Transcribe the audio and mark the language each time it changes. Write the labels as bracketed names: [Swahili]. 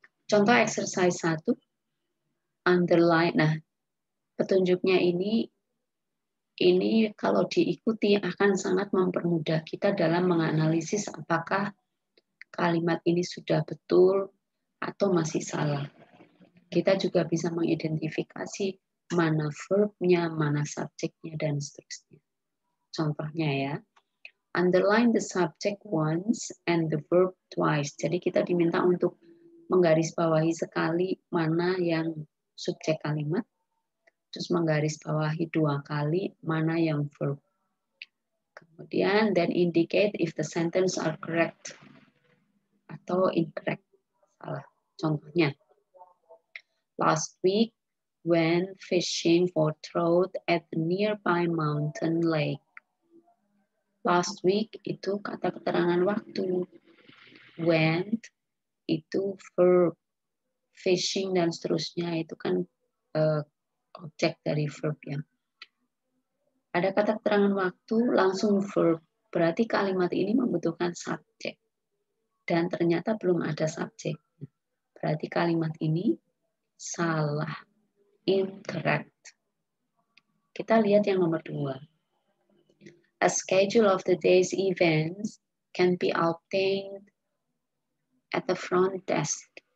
[Indonesian] Contoh exercise 1, underline, nah petunjuknya ini kalau diikuti akan sangat mempermudah kita dalam menganalisis apakah kalimat ini sudah betul atau masih salah. Kita juga bisa mengidentifikasi mana verb-nya, mana subjeknya, dan seterusnya. Contohnya ya. [English] Underline the subject once and the verb twice. [Indonesian] Jadi kita diminta untuk menggarisbawahi sekali mana yang subjek kalimat, terus menggarisbawahi dua kali mana yang verb. Kemudian, [English] then indicate if the sentence are correct [Indonesian] atau [English] incorrect. [Indonesian] Salah. Contohnya, [English] last week went fishing for trout at nearby mountain lake. [Indonesian] Last week itu kata keterangan waktu. Went itu verb. Fishing dan seterusnya itu kan objek dari verb ya. Ada kata keterangan waktu, langsung verb. Berarti kalimat ini membutuhkan subjek. Dan ternyata belum ada subjek. Berarti kalimat ini salah. Incorrect. Kita lihat yang nomor dua. [English] A schedule of the day's events can be obtained at the front desk.